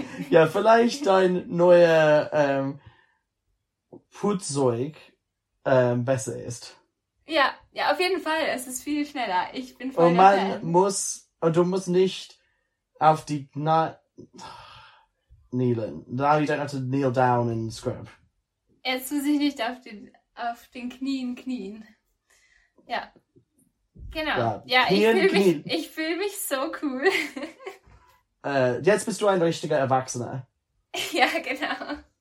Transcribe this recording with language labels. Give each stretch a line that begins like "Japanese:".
German: Ja, vielleicht ein neuer Putzzeug besser ist. Ja, auf jeden Fall. Es ist viel schneller. Ich bin voll der Fan. Und du musst nicht auf die kneelen.
English: Now you don't have to kneel down in scrub.
German: Jetzt muss ich nicht auf den Knien. Ja, genau. Ich fühl mich so cool. Jetzt bist du ein richtiger Erwachsener. Ja, genau.